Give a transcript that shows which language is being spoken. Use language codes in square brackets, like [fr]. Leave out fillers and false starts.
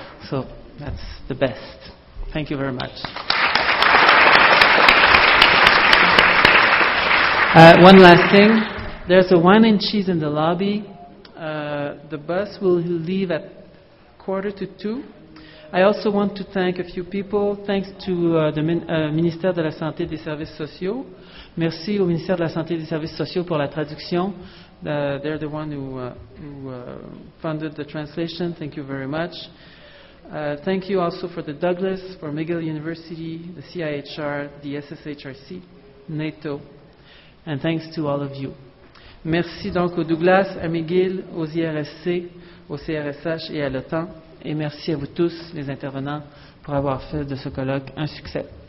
[en] So that's the best. Thank you very much. One last thing. There's a wine and cheese in the lobby. The bus will leave at 1:45. I also want to thank a few people. Thanks to the Ministère de la Santé et des Services Sociaux. [fr] Merci au Ministère de la Santé et des Services Sociaux pour la traduction. [en] They're the one who funded the translation. Thank you very much. Thank you also for the Douglas, for McGill University, the CIHR, the SSHRC, NATO. And thanks to all of you. [fr] Merci donc au Douglas, à McGill, aux IRSC, au CRSH et à l'OTAN. Et merci à vous tous, les intervenants, pour avoir fait de ce colloque un succès.